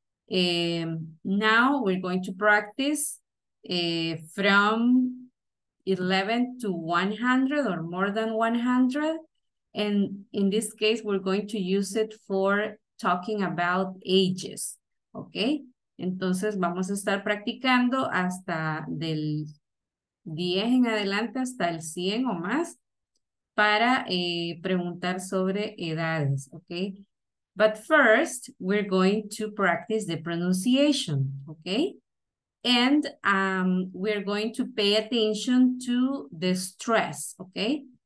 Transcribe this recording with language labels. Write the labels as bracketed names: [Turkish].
[English] Now we're going to practice from 11 to 100 or more than 100. And in this case, we're going to use it for talking about ages. Okay? [Spanish] Entonces, vamos a estar practicando hasta del 10 en adelante, hasta el 100 o más, para preguntar sobre edades. [English] Okay? But first, we're going to practice the pronunciation. Okay? And we're going to pay attention to the stress, okay?